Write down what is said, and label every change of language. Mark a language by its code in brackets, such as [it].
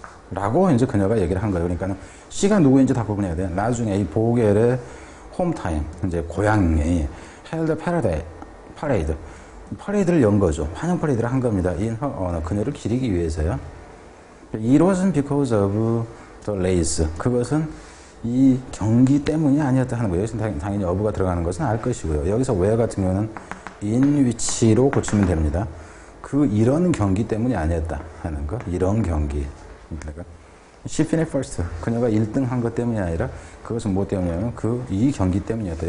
[ko] 라고 이제 그녀가 얘기를 한 거예요. 그러니까는 씨가 누구인지 다 구분해야 돼. 나중에 이 보겔의 홈타임, 이제 고향이 헬더 패러다이 파레이드. 파레이드를 연 거죠. 환영 파레이드를 한 겁니다. 그녀를 기리기 위해서요. [en] It was because of the race. [ko] 그것은 이 경기 때문이 아니었다 하는 거예요. 여기서 당연히 of가 들어가는 것은 알 것이고요. 여기서 where 같은 경우는 in which로 고치면 됩니다. 그 이런 경기 때문이 아니었다 하는 거. 이런 경기. [en] She finished first. [ko] 그녀가 1등 한 것 때문이 아니라 그것은 뭐 때문이냐면 그 이 경기 때문이었다.